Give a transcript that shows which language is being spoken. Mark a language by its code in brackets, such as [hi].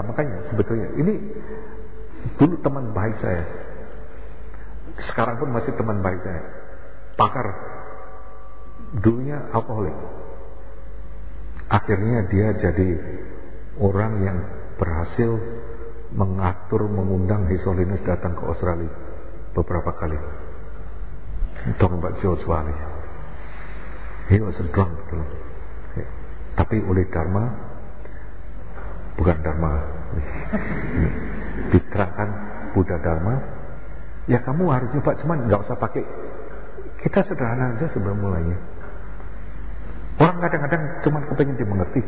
[id] Makanya sebetulnya ini dulu teman baik saya, sekarang pun masih teman baik saya, pakar dulunya alkoholik, akhirnya dia jadi orang yang berhasil mengatur mengundang His Holiness datang ke Australia beberapa kali. [en] Talking about Joshua, he was a drunk [id] dulu. Tapi oleh dharma, bukan dharma, diterangkan Buddha Dharma, ya kamu harus coba, cuman gak usah pakai. Kita sederhana aja sebelum mulainya. Orang kadang-kadang cuman kepengen dimengerti.